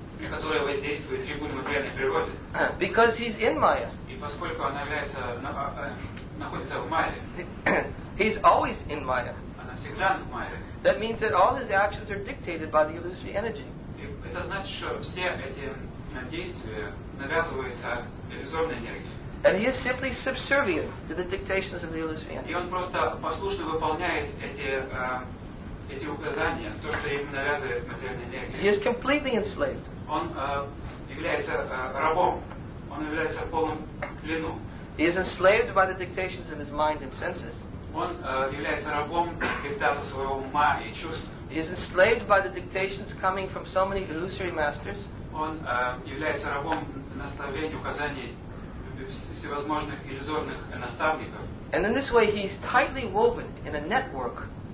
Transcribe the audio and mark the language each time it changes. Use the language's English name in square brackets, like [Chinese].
[Russian] Которое воздействует три буды материальной природы. [English] Because he's in Maya. [Russian] И поскольку она является находится в Майе. [English] He's always in Maya. [Russian] Она всегда в Майе. [English] That means that all his actions are dictated by the illusory energy. [Russian] Это значит, что все эти действия навязываются иллюзорной энергией. [English] And he is simply subservient to the dictations of the illusory energy. [Russian] И он просто послушно выполняет эти указания, то, что ему навязывает материальная энергия. [English] He is completely enslaved. [Russian] Он является рабом. Он является в полном плену. [English] He is enslaved by the dictations of his mind and senses. [Russian] Он является рабом диктата своего ума и чувств. [English] He is enslaved by the dictations coming from so many illusory masters. [Russian] Он является рабом наставлений, указаний всевозможных иллюзорных наставников. [English] And in this way, he is tightly woven in a network.